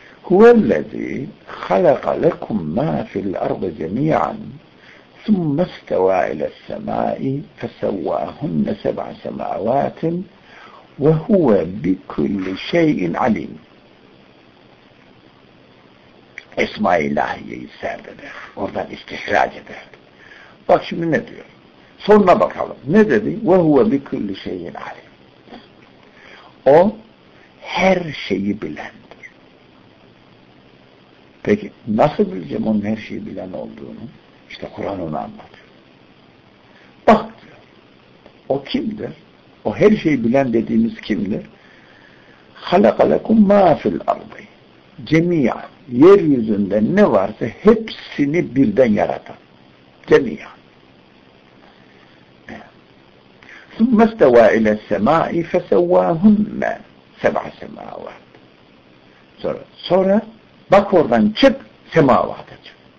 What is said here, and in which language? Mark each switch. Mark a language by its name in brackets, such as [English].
[Arabic] هُوَ الَّذ۪ي خَلَقَ لَكُمْ مَا فِي الْأَرْضِ جَمِيعًا ثُمَّ اسْتَوَى إِلَى السَّمَاءِ فَسَوَّاهُنَّ سَبْعَ سَمَاوَاتٍ وَهُوَ بِكُلِّ شَيْءٍ عَلِيمٍ [Turkish] Esma-i İlahiye'yi serdeder, oradan istihraç eder. Bak şimdi ne diyor? Sonra bakalım. Ne dedi? [Arabic] وَهُوَ بِكُلِّ شَيْءٍ عَلِيمٍ [Turkish] O, her şeyi bilen. Peki nasıl bileceğim onun her şeyi bilen olduğunu? İşte Kur'an onu anlatıyor. Bak diyor, o kimdir? O her şeyi bilen dediğimiz kimdir? [Arabic] خَلَقَ لَكُمْ مَا فِي الْأَرْضِ [Turkish] Cemiyan, yeryüzünde ne varsa hepsini birden yaratan. Cemiyan. [Arabic] ثُمَّ اسْتَوَى اِلَى السَّمَاءِ فَسَوَّاهُنَّ سَبْعَ سَمَاوَاتِ [Turkish] Sonra bak oradan çık, semavata çık.